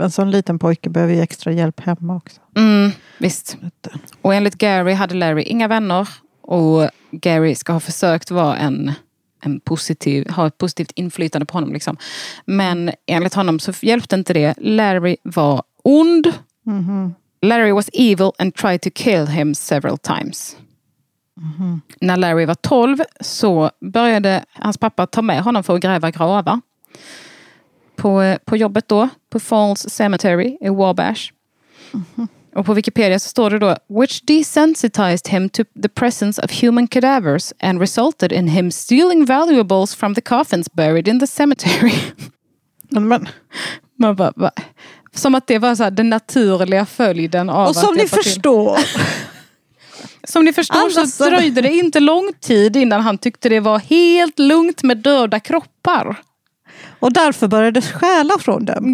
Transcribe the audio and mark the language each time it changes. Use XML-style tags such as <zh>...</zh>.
<sv>En sån liten pojke behöver ju extra hjälp hemma också. Mm, visst. Och enligt Gary hade Larry inga vänner. Och Gary ska ha försökt vara en positiv, ha ett positivt inflytande på honom. Liksom. Men enligt honom så hjälpte inte det. Larry var ond. Mm-hmm.</sv> <en>Larry was evil and tried to kill him several times. Mm-hmm.</en> <sv>När Larry var 12 så började hans pappa ta med honom för att gräva gravar på jobbet då, på Falls Cemetery i Wabash. Mm-hmm. Och på Wikipedia så står det då,</sv> <en>which desensitized him to the presence of human cadavers and resulted in him stealing valuables from the coffins buried in the cemetery.</en> <sv>Men man bara, va? Som att det var så här, den naturliga följden av och som att ni förstår. Som ni förstår så dröjde det inte lång tid innan han tyckte det var helt lugnt med döda kroppar. Och därför började stjäla från dem.</sv>